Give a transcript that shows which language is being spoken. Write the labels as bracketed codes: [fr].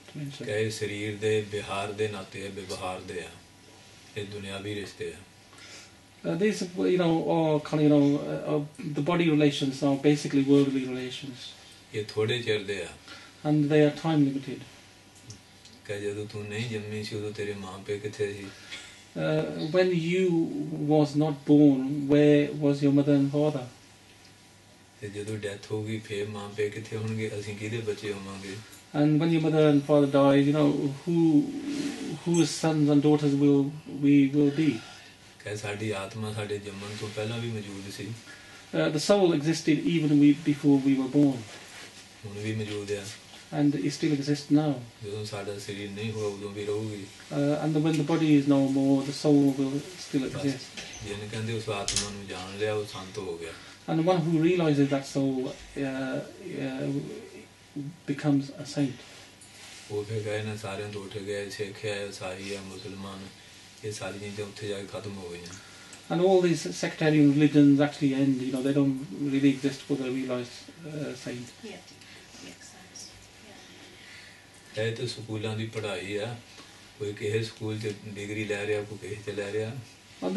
[pa] ਕਹੇ ਸਰੀਰ ਦੇ ਵਿਹਾਰ ਦੇ ਨਾਤੇ ਆ ਵਿਵਹਾਰ ਦੇ ਆ ਇਹ ਦੁਨਿਆਵੀ ਰਿਸ਼ਤੇ ਆ [en] These, you know, all kind of, you know, the body relations are basically worldly relations. And they are time limited. When you was not born, where was your mother and father? And when your mother and father died, you know, whose sons and daughters will be? [pa] ਸਾਡੀ ਆਤਮਾ ਸਾਡੇ ਜੰਮਣ ਤੋਂ ਪਹਿਲਾਂ ਵੀ ਮੌਜੂਦ ਸੀ [en] the soul existed even before we were born [pa] ਹੁਣ ਵੀ ਮੌਜੂਦ ਹੈ [en] and it still exists now [pa] ਜਦੋਂ ਸਾਡਾ ਸਰੀਰ ਨਹੀਂ ਹੋਇਆ ਉਦੋਂ ਵੀ ਰਹੂਗੀ [en] and when the body is no more the soul will still exist [pa] ਜਿਹਨ ਕਹਿੰਦੇ ਉਸ ਆਤਮਾ ਨੂੰ ਜਾਣ ਲਿਆ ਉਹ ਸੰਤ ਹੋ ਗਿਆ [en] and one who realizes that soul becomes a saint [pa] ਉਹ ਫਿਰ ਗਏ ਨਾ ਸਾਰਿਆਂ ਤੋਂ ਉੱਠ ਗਏ ਸਿੱਖ ਹੈ ਈਸਾਈ ਹੈ ਮੁਸਲਮਾਨ [en] And all these sectarian religions actually end, you know, they don't really exist for the realized saint. Yeah, it makes sense. Yeah. Well,